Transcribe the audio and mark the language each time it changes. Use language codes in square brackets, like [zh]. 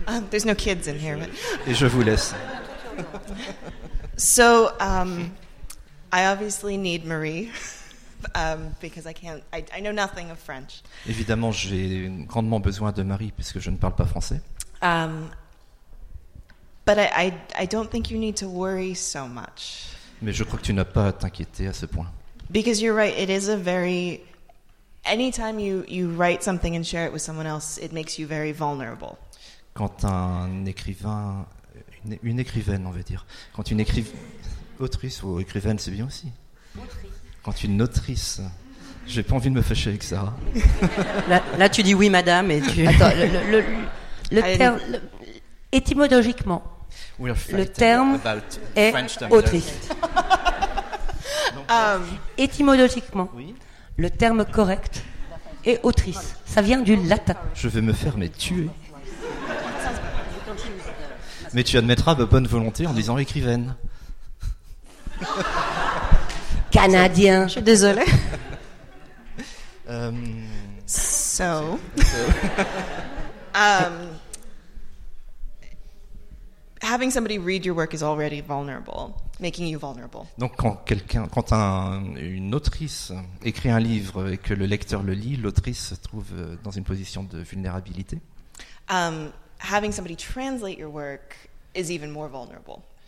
[en] There's no kids in here. But... [fr] Et je vous laisse. [en] So, I obviously need Marie. Because I can't, I know nothing of French. [fr] Évidemment, j'ai grandement besoin de Marie puisque je ne parle pas français. [en] But I don't think you need to worry so much. [fr] Mais je crois que tu n'as pas à t'inquiéter à ce point. [en] Because you're right, it is a very. Anytime you write something and share it with someone else, it makes you very vulnerable. [fr] Quand un écrivain, une écrivaine, on va dire, quand une autrice ou écrivaine, c'est bien aussi. Quand une autrice, j'ai pas envie de me fâcher avec Sarah. Là, tu dis oui, madame, et tu. Attends, étymologiquement, le terme est autrice. Étymologiquement, le terme correct est autrice. Ça vient du latin. Je vais me faire mais tuer. Mais tu admettras ma bonne volonté en disant écrivaine. Canadien. Je suis désolée. [en] So. having somebody read your work is already vulnerable, making you vulnerable. [fr] Donc quand quelqu'un, quand une autrice écrit un livre et que le lecteur le lit, l'autrice se trouve dans une position de vulnérabilité. [en] Having somebody translate your work is even more vulnerable.